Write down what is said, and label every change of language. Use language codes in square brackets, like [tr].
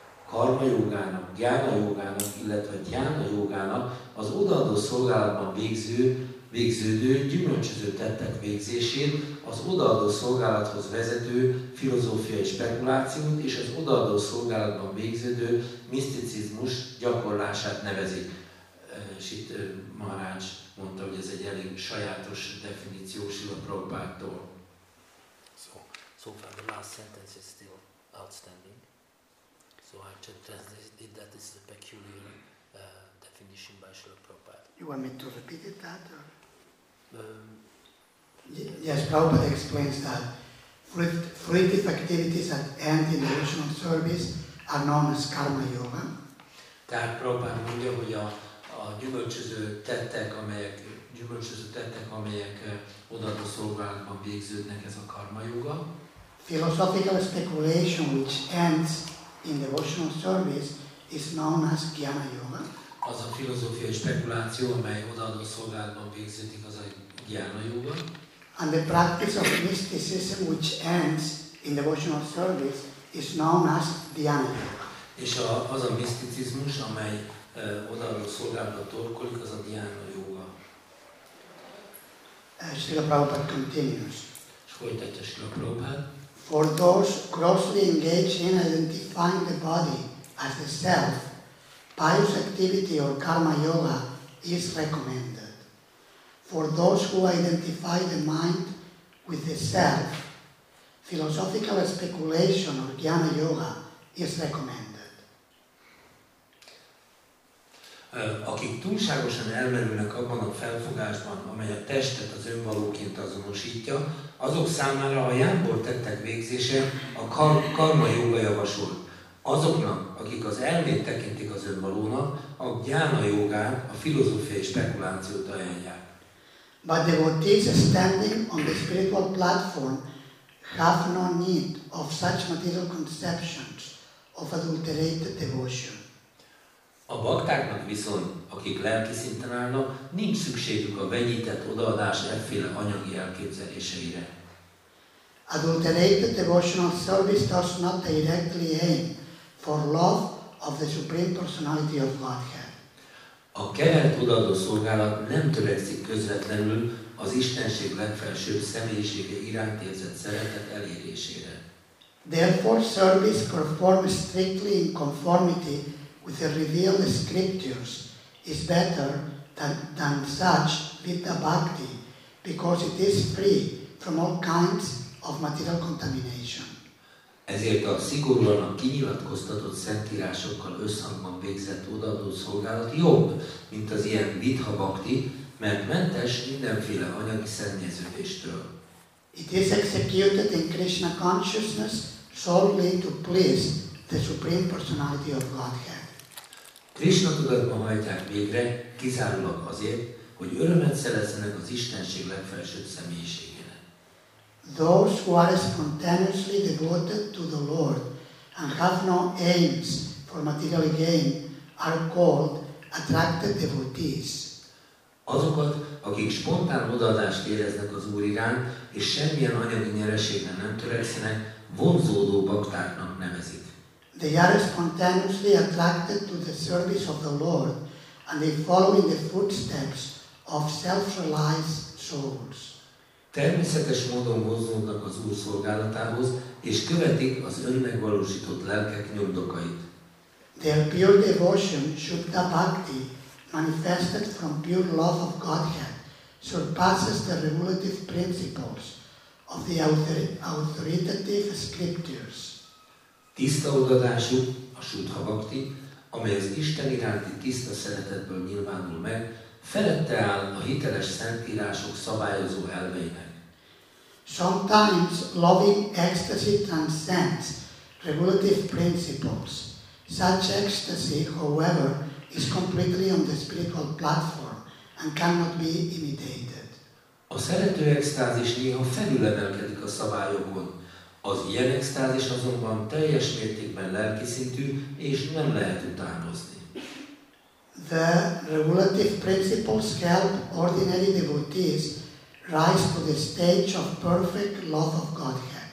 [hu] Karma jogának, jnana jogának, illetve dhyana jogának az odaadó szolgálatban végződő gyümölcsöző tettek végzését, az odaadó szolgálathoz vezető filozófiai spekulációt és az odaadó szolgálatban végződő miszticizmus gyakorlását nevezik. És itt Maharaj mondta, hogy ez egy elég sajátos definíció Srila Prabhupádtól. [en] So far the last sentence is still outstanding. So I translated it, that this is a peculiar definition by Srila Prabhupada. You want me to repeat it that? Or? Yes, Prabhupada explains that fruitive activities that end in devotional service are known as karma yoga. [hu] Tehát Prabhupada mondja, hogy a gyümölcsöző tettek, amelyek odaadó szolgálatban végződnek, ez a karma yoga. [en] Philosophical speculation which ends in devotional service is known as jnana yoga. [hu] Az a filozófiai spekuláció, amely odaadó szolgálatban végződik, az a jnana yoga. [en] And the practice of mysticism which ends in devotional service is known as jnana yoga. [hu] És az a miszticizmus, amely odaadó szolgálatban torkolik, az a jnana yoga. [en] Srila Prabhupada continues. [hu] És folytatja Srila Prabhupada. [en] For those closely engaged in identifying the body as the self, pious activity or karma yoga is recommended. For those who identify the mind with the self, philosophical speculation or jnana yoga is recommended. [hu] Akik túlságosan elmerülnek abban a felfogásban, amely a testet az önvalóként azonosítja, azok számára a jámbor tettek végzése a karma yoga javasolt. Azoknak, akik az elmét tekintik az önvalónak, a jnana jogán a filozófiai spekulációt ajánlják. [en] But devotees standing on the spiritual platform have no need of such material conceptions of adulterated devotion. [hu] A baktáknak viszont, akik lelki szinten állnak, nincs szükségük a vegyített odaadás efféle anyagi elképzeléseire. [en] Adulterated devotional service does not directly aim for love of the Supreme Personality of Godhead. [hu] A kevert odaadó szolgálat nem törekszik közvetlenül az Istenség legfelsőbb személyisége iránt érzett szeretet elérésére. [en] Therefore, service performed strictly in conformity with the revealed scriptures is better than such vita bhakti, because it is free from all kinds of material contamination. [hu] Ezért a szigorúan a kinyilatkoztatott szentírásokkal összhangban végzett odaadó szolgálat jobb, mint az ilyen vidha bhakti, mert mentes mindenféle anyagi szennyeződéstől. [en] It is executed in Krishna consciousness solely to please the Supreme Personality of Godhead. [hu] Krishna tudatban hajtják végre kizárólag azért, hogy örömet szerezzenek az Istenség legfelsőbb személyiség. [en] Those who are spontaneously devoted to the Lord and have no aims for material gain are called attracted devotees. [hu] Azokat, akik spontán odaadást éreznek az Úr iránt, és semmilyen anyagi nyereségre nem törekszenek, vonzódó baktáknak nevezik. [en] They are spontaneously attracted to the service of the Lord and they follow in the footsteps of self-realized souls. [hu] Természetes módon vonzódnak az Úr szolgálatához, és követik az önmegvalósított lelkek nyomdokait. [en] Their pure devotion, Shukta Bhakti, manifested from pure love of Godhead, surpasses the regulative principles of the authoritative scriptures. [hu] Tiszta odaadásuk, a Shuddha Bhakti, amely az Isten iránti tiszta szeretetből nyilvánul meg, felette áll a hiteles szentírások szabályozó elveinek. [en] Sometimes loving ecstasy transcends regulative principles. Such ecstasy, however, is completely on the spiritual platform and cannot be imitated. [hu] A szerető extázis néha felülemelkedik a szabályokon. Az ilyen extázis azonban teljes mértékben lelki szintű és nem lehet utánozni. [en] The regulative principles help ordinary devotees rise to the stage of perfect love of Godhead.